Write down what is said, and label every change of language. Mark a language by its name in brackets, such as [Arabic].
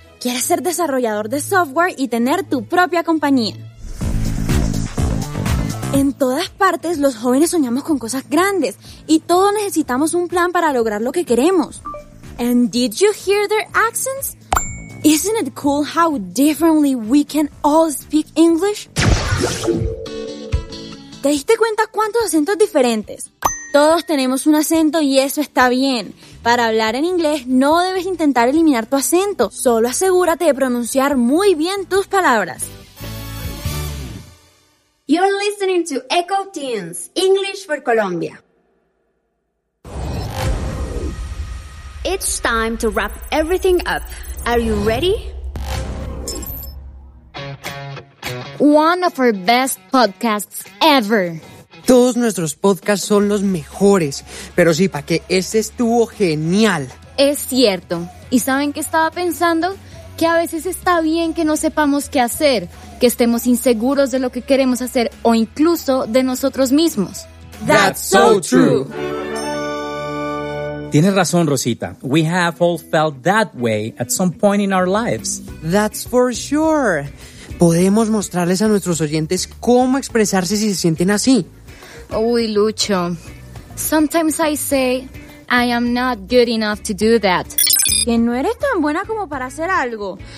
[Spanish] Quieres ser desarrollador de software y tener tu propia compañía. En todas partes, los jóvenes soñamos con cosas grandes y todos necesitamos un plan para lograr lo que queremos. [English] And did you hear their accents? Isn't it cool how differently we can all speak English? [Spanish] ¿Te diste cuenta cuántos acentos diferentes? Todos tenemos un acento y eso está bien. Para hablar en inglés, no debes intentar eliminar tu acento. Solo asegúrate de pronunciar muy bien tus palabras. [English] You're listening to Echo Teens, English for Colombia. It's time to wrap everything up. Are you ready? One of our best podcasts ever. [Spanish] Todos nuestros podcasts son los mejores, pero sí, pa' que ese estuvo genial. Es cierto. ¿Y saben qué estaba pensando? Que a veces está bien que no sepamos qué hacer, que estemos inseguros de lo que queremos hacer o incluso de nosotros mismos. [English] That's so true. [Spanish] Tienes razón, Rosita. [English] We have all felt that way at some point in our lives. That's for sure. [Spanish] Podemos mostrarles a nuestros oyentes cómo expresarse si se sienten así. Uy, Lucho. [English] Sometimes I say, I am not good enough to do that. [Spanish] Que no eres tan buena como para hacer algo.